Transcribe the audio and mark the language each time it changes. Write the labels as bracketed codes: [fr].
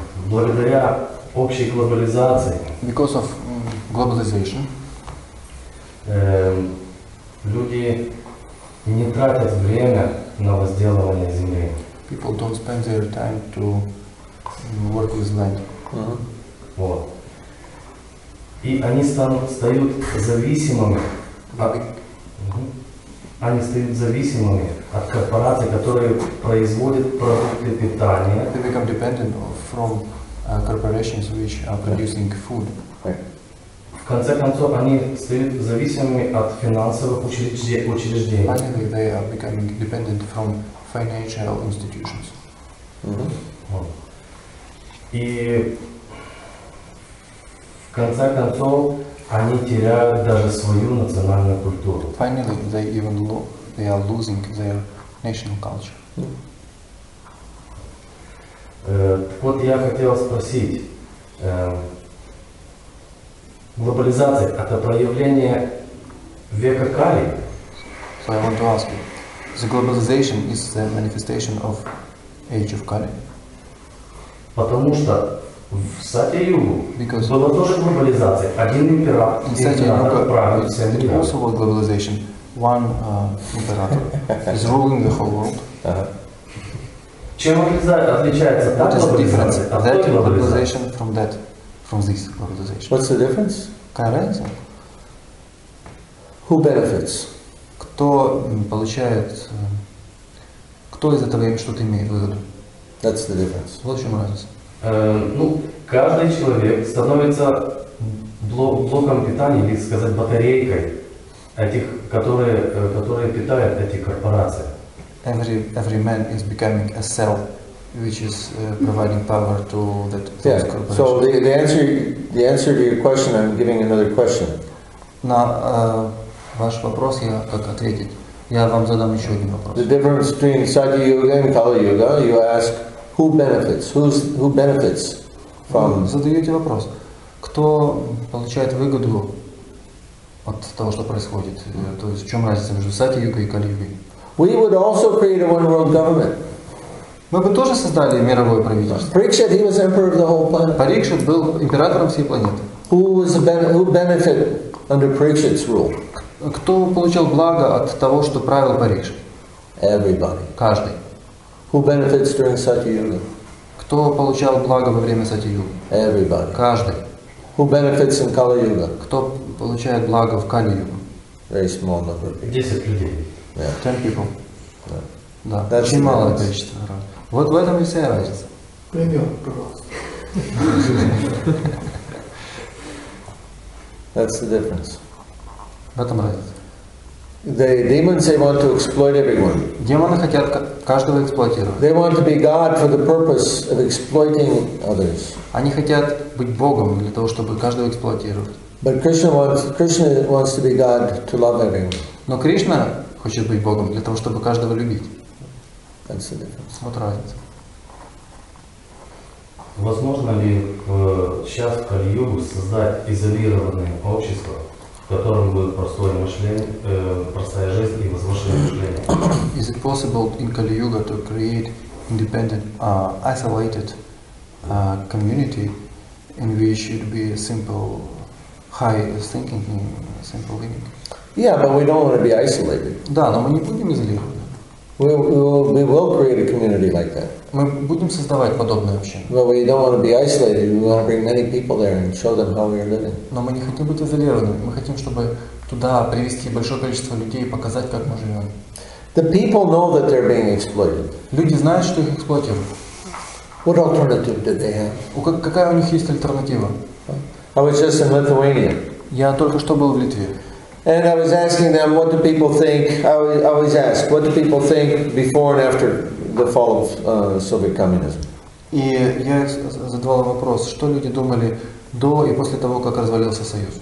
[ru] Благодаря общей глобализации. [en] Because of globalization. [ru] Люди не тратят время на возделывание земли. [en] People don't spend their time to work with land. [ru] Вот. И они стают зависимыми. Они стают зависимыми от корпораций, которые производят продукты питания. [en] They become dependent from corporations which are producing food. [ru] В конце концов, они стают зависимыми от финансовых учреждений. [en] Finally, they are becoming dependent from financial institutions. [ru] И в конце концов, они теряют даже свою национальную культуру. [en] Finally, they are losing their national culture. [ru] Вот я хотел спросить, глобализация – это проявление века Кали? [en] So I want to ask you, the globalization is the manifestation of age of Kali? [ru] Потому что в Сатья-югу была тоже глобализация, один император, [en] in Сатья-юга there also was globalization, one император is ruling the whole world. [ru] Чем отличается [en] that globalization from that, from this globalization? What's the difference? [ru] Какая разница? [en] Who benefits? [ru] Кто получает, кто из этого что-то имеет выгоду? [en] That's the difference. [ru] Вот в чем разница. Ну, каждый человек становится блоком питания, или сказать, батарейкой этих, которые питают эти корпорации. [en] Every man is becoming a cell, which is providing power to that corporation. So the answer to your question, I'm giving another question. [ru] На ваш вопрос я как ответить? Я вам задам еще один вопрос. [en] The difference between Satya-yuga and Kali-yuga, you ask who benefits from. [ru] Задаете вопрос, кто получает выгоду от того, что происходит? То есть в чем разница между Satya-yuga и Kali-yuga? [en] We would also create a one-world government. [ru] Мы бы тоже создали мировое правительство. [en] Parikshit, he was emperor of the whole planet. [ru] Parikshit был императором всей планеты. [en] Who benefited under Parikshit's rule? [ru] Кто получил благо от того, что правил Parikshit? [en] Everybody. [ru] Каждый. [en] Who benefits during Satya-yuga? [ru] Кто получал благо во время Сатья-юги? [en] Everybody. [ru] Каждый. [en] Who benefits in Kali-yuga? [ru] Кто получает благо в Кали-юге? [en] Very small number. [ru] 10 людей. [en] Yeah. 10 people. Yeah. [ru] Да. [en] That's [ru] очень малое количество. Вот в этом и вся разница. Пример, пожалуйста. [en] That's the difference. [ru] В этом разница. [en] The demons, they want to exploit everyone. [ru] Демоны хотят каждого эксплуатировать. [en] They want to be God for the purpose of exploiting others. [ru] Они хотят быть Богом для того, чтобы каждого эксплуатировать. [en] But Krishna wants to be God to love everyone. [ru] Но Кришна хочет быть Богом для того, чтобы каждого любить. [en] That's the difference. [ru] Вот разница. Возможно ли сейчас в Кали-югу создать изолированное общество, в котором будет простое мышление, простая жизнь и возвышенное мышление? [en] Is it possible in Kali-yuga to create independent, isolated community in which it be simple, high thinking, simple living? Yeah, but we don't want to be isolated. [ru] Да, но мы не будем изолированы. [en] We will create a community like that. [ru] Мы будем создавать подобное общение. [en] But we don't want to be isolated. We want to bring many people there and show them how we are living. [ru] Но мы не хотим быть изолированными. Мы хотим, чтобы туда привести большое количество людей и показать, как мы живем. [en] The people know that they're being exploited. [ru] Люди знают, что их эксплуатируют. [en] What alternative did they have? [ru] Какая у них есть альтернатива? [en] I was just in Lithuania. [ru] Я только что был в Литве. [en] And I was asking them, what do people think? I always ask, what do people think before and after the fall of Soviet communism? [ru] И я задавал вопрос, что люди думали до и после того, как развалился Союз.